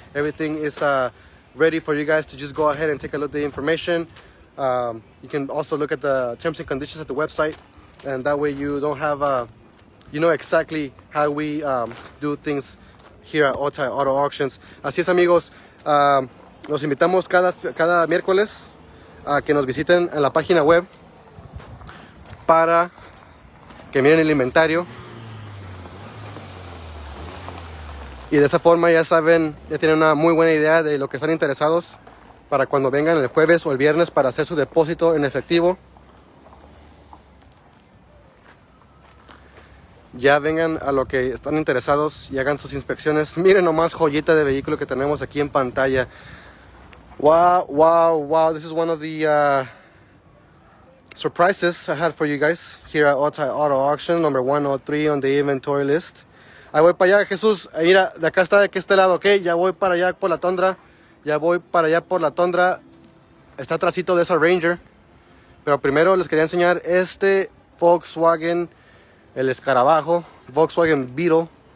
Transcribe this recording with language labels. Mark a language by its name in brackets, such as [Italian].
[English] Everything is ready for you guys to just go ahead and take a look at the information. You can also look at the terms and conditions at the website, and that way you don't have you know exactly how we do things here at Otay Auto Auctions. [Spanish] Así es, amigos. Los invitamos cada miércoles a que nos visiten en la página web para que miren el inventario. Y de esa forma ya saben, ya tienen una muy buena idea de lo que están interesados para cuando vengan el jueves o el viernes para hacer su depósito en efectivo. Ya vengan a lo que están interesados y hagan sus inspecciones. Miren nomás joyita de vehículo que tenemos aquí en pantalla. [English] Wow, wow, wow. This is one of the surprises I had for you guys here at Otay Auto Auction, number 103 on the inventory list. [Spanish] Ahí voy para allá, Jesús. Mira, de acá está, de aquí este lado, ¿ok? Ya voy para allá por la tundra. Ya voy para allá por la tundra. Está atrásito de esa Ranger. Pero primero les quería enseñar este Volkswagen, el escarabajo, Volkswagen Beetle.